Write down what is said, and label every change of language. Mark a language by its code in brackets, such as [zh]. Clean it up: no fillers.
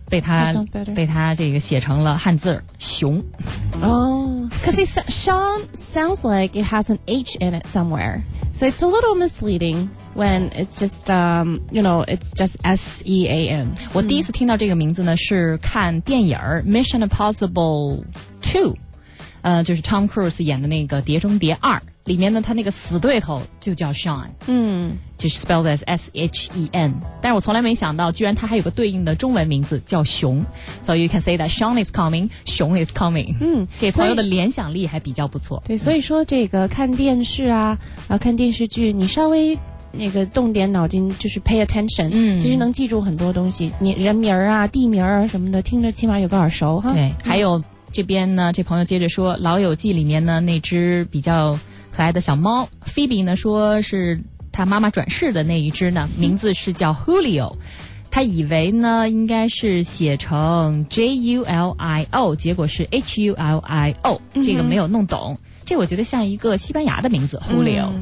[zh] 被他这个写成了汉字熊 [en] 哦、Because Sean sounds like it has an H in it somewhere So it's a little misleading when it's just、you know it's just S-E-A-N [zh] 我第一次听到这个名字呢是看电影 Mission Impossible 2就是 Tom Cruise 演的那个《碟中谍二》里面呢，他那个死对头就叫 Sean， 就是 [en] spelled as S H E N。 [zh] 但是我从来没想到，居然他还有个对应的中文名字叫熊。 [en] So you can say that Sean is coming， 熊 is coming。 [zh] 这朋友的联想力还比较不错。对，所以说这个看电视啊，看电视剧，你稍微。那个动点脑筋就是 [en] pay attention、 [zh] 其实能记住很多东西你人名啊地名啊什么的听着起码有个耳熟哈对还有这边呢这朋友接着说老友记里面呢那只比较可爱的小猫 Phoebe 呢说是他妈妈转世的那一只呢名字是叫 Julio 他以为呢应该是写成 J-U-L-I-O 结果是 H-U-L-I-O 这个没有弄懂这我觉得像一个西班牙的名字 Julio